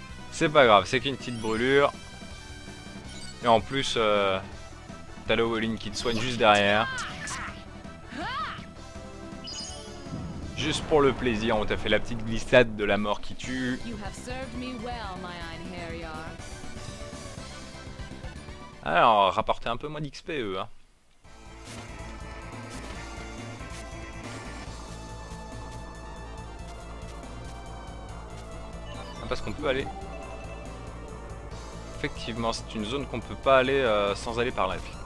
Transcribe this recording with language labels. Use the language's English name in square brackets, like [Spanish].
[French] C'est pas grave, c'est qu'une petite brûlure. Et en plus, t'as le Wolin qui te soigne juste derrière. Juste pour le plaisir, on t'a fait la petite glissade de la mort qui tue. [English] You have served me well, my Einherjar. [French] Alors, rapporter un peu moins d'XP, eux. Hein. Ah, parce qu'on peut aller. Effectivement, c'est une zone qu'on peut pas aller sans aller par là.